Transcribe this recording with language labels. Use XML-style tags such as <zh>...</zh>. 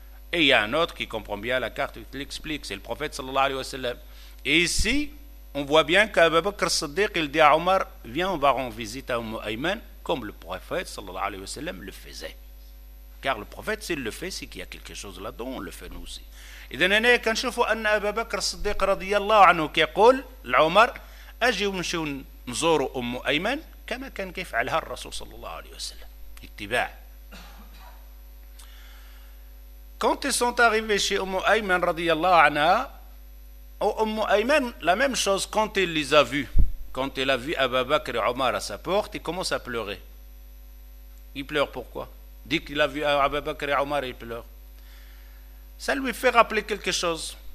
<fr>Et il y a un autre qui comprend bien la carte, il te l'explique, c'est le prophète sallallahu alayhi wa sallam. Et ici, on voit bien qu'Abu Bakr Siddiq, il dit à Omar, viens, on va rendre visite à Umm Ayman, comme le prophète sallallahu alayhi wa sallam le faisait. Car le prophète, s'il le fait, c'est qu'il y a quelque chose là-dedans, on le fait nous aussi.</fr> <ar>إذن أنا كنشوف أن أبا بكر الصديق رضي الله عنه كيقول لعمر أجي ونمشيو نزوروا أم أيمن كما كان كيفعلها الرسول صلى الله عليه وسلم اتباع.</ar> <fr>Quand ils sont arrivés chez أم أيمن رضي الله عنها أو أم أيمن la même chose quand elle les a vus quand elle a vu أبا بكر et عمر à sa porte il commence à pleurer. Il pleure pourquoi? Dès qu'il a vu أبا بكر et عمر il pleure. Ça lui fait rappeler quelque chose.</fr>